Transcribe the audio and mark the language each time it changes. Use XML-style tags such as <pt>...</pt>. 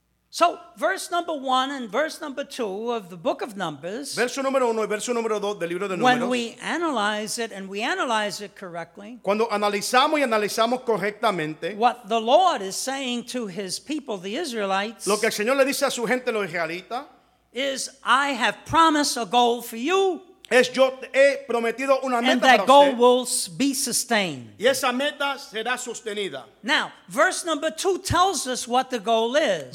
<en>So, verse number 1 and verse number 2 of the book of Numbers.</en> <es>Verso número 1 y verso número 2 del libro de Números.</es> <en>When we analyze it and we analyze it correctly.</en> <es>Cuando analizamos y analizamos correctamente.</es> <en>What the Lord is saying to his people, the Israelites.</en> <es>Lo que el Señor le dice a su gente, los israelitas.</es> <en>Is, I have promised a goal for you.</en> <es>Es, yo he prometido una meta para usted.</es> <en>And that goal will be sustained.</en> <es>Y esa meta será sostenida.</es> <en>Now, verse number 2 tells us what the goal is.</en>